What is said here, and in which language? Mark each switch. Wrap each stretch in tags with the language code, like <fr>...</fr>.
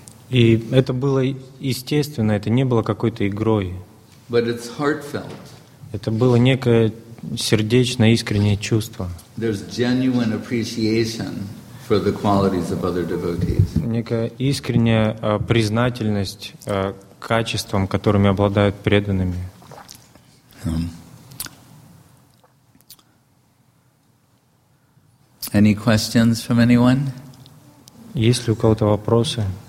<ru>И это было естественно, это не было какой-то игрой.</ru> <en>But it's heartfelt.</en> <ru>Это было некое сердечное, искреннее чувство.</ru> <en>There's genuine appreciation for the qualities of other devotees.</en> <ru>Некая искренняя признательность качествам, которыми обладают преданными.</ru> <en>Any questions from anyone?</en> <ru>Есть ли у кого-то вопросы?</ru>